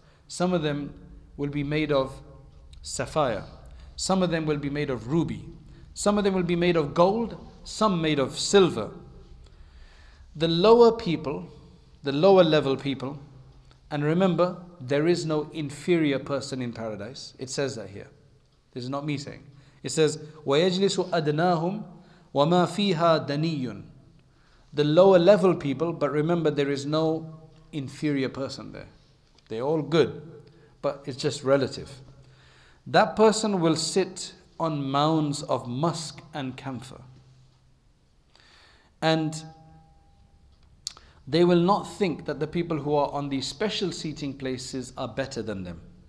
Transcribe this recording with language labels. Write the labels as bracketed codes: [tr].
[en] Some of them will be made of sapphire. Some of them will be made of ruby. Some of them will be made of gold. Some made of silver. The lower people, the lower level people, and remember, there is no inferior person in paradise. It says that here. This is not me saying. It says, [ar] وَيَجْلِسُ أَدْنَاهُمْ وَمَا فِيهَا دَنِيٌّ. [en] The lower level people, but remember, there is no inferior person there. They're all good, but it's just relative. That person will sit on mounds of musk and camphor. And they will not think that the people who are on these special seating places are better than them.